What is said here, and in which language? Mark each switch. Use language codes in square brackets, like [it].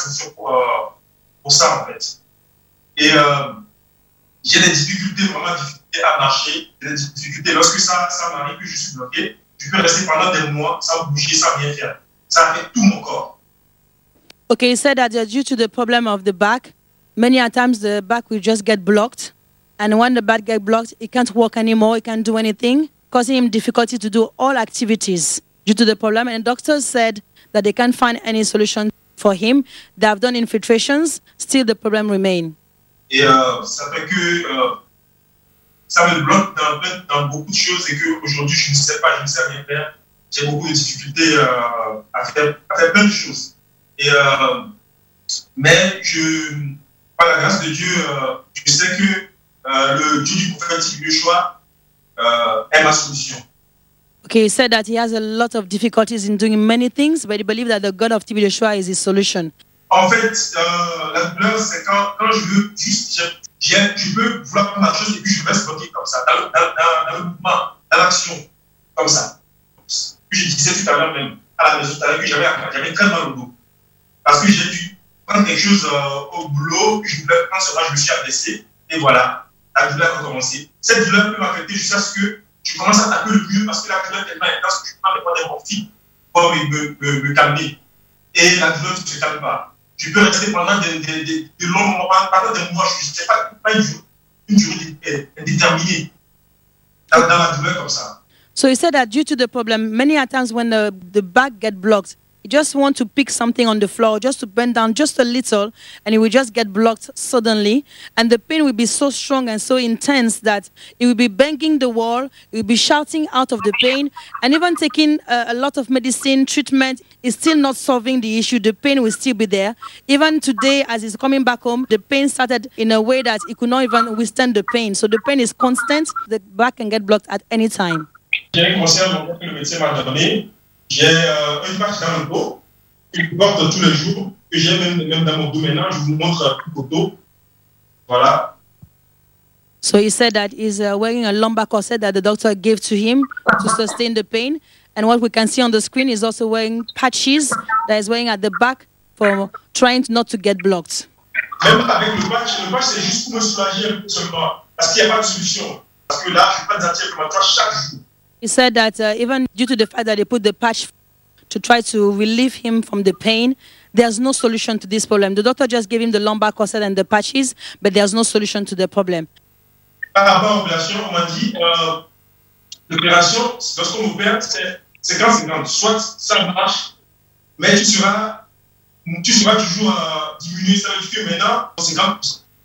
[fr] J'ai fait des invitations, j'ai fait tout, il n'y a pas de solution pour ça en fait. J'ai des difficultés, vraiment difficultés à marcher, des difficultés. Lorsque ça m'arrive que je suis bloqué, je peux rester pendant des mois sans bouger, sans rien faire. Ça affecte tout mon corps. [en] Okay, he said that due to the problem of the back, many a times the back will just get blocked. And when the back gets blocked, he can't walk anymore, he can't do anything, causing him difficulty to do all activities due to the problem. And doctors said that they can't find any solution for him. They have done infiltrations, still the problem remains. [fr] Et ça fait que ça me bloque dans beaucoup de choses et qu'aujourd'hui je ne sais pas, je ne sais rien faire. J'ai beaucoup de difficultés à faire plein de choses. Et, mais je, par la grâce de Dieu, je sais que le Dieu du prophète Yeshua est ma solution. [en] Okay, he said that he has a lot of difficulties in doing many things, but he believes that the God of Tibi Yeshua is his solution. [fr] En fait, la douleur, c'est quand je veux juste, je veux vouloir prendre la chose et puis je reste bloqué comme ça, dans le mouvement, dans l'action, comme ça. Puis je disais tout à l'heure même, à la maison, que j'avais très mal au dos. Parce que j'ai dû prendre quelque chose au boulot, je voulais prendre cela, je me suis abaissé, et voilà, la douleur a commencé. Cette douleur peut m'affecter jusqu'à ce que je commence à taper le mieux parce que la douleur est tellement intense que je ne peux pas prendre des morphines pour me calmer. Et la douleur ne se calme pas. Je peux rester pendant de longs moments, pendant des mois, je ne sais pas une durée indéterminée dans la douleur comme ça. [en] So he said that due to the problem, many a times when the back gets blocked, he just want to pick something on the floor, just to bend down just a little, and it will just get blocked suddenly. And the pain will be so strong and so intense that it will be banging the wall, it will be shouting out of the pain, and even taking a lot of medicine, treatment, is still not solving the issue. The pain will still be there. Even today, as he's coming back home, the pain started in a way that he could not even withstand the pain. So the pain is constant. The back can get blocked at any time. [fr] J'ai une patch dans le dos que je porte tous les jours, que j'ai même dans mon dos maintenant. Je vous montre la photo. Voilà. [en] So he said that he's wearing a lumbar corset that the doctor gave to him to sustain the pain. And what we can see on the screen is also wearing patches that he's wearing at the back for trying not to get blocked. [fr] Même avec le patch, c'est juste pour me soulager un peu seulement. Parce qu'il n'y a pas de solution. Parce que là, je ne suis pas d'attirer le matin chaque jour. [en] He said that even due to the fact that they put the patch to try to relieve him from the pain, there's no solution to this problem. The doctor just gave him the lumbar corset and the patches, but there's no solution to the problem. [fr] Par rapport à l'opération, on m'a dit, l'opération, lorsqu'on opère, c'est 50-50. Soit ça marche, mais tu seras toujours diminué, ça veut dire que maintenant, c'est 50-50.